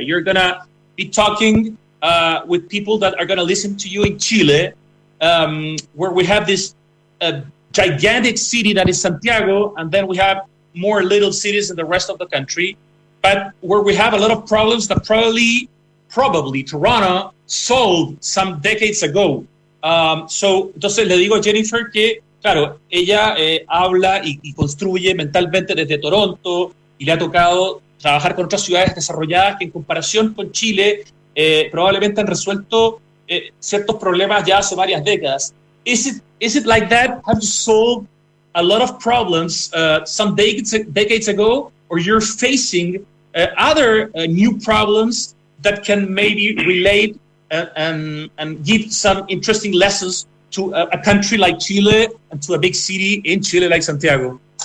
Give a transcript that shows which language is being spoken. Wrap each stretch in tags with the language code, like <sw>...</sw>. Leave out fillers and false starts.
<en>You're going to be talking with people that are going to listen to you in Chile, where we have this gigantic city that is Santiago, and then we have more little cities in the rest of the country, but where we have a lot of problems that probably Toronto solved some decades ago.</en> <es>Entonces le digo a Jennifer que, claro, ella habla y construye mentalmente desde Toronto, y le ha tocado trabajar con otras ciudades desarrolladas que en comparación con Chile probablemente han resuelto ciertos problemas ya hace varias décadas.</es> <en>Is it like that? Have you solved a lot of problems some decades ago, or you're facing other new problems that can maybe relate and give some interesting lessons to a country like Chile and to a big city in Chile like Santiago?</en>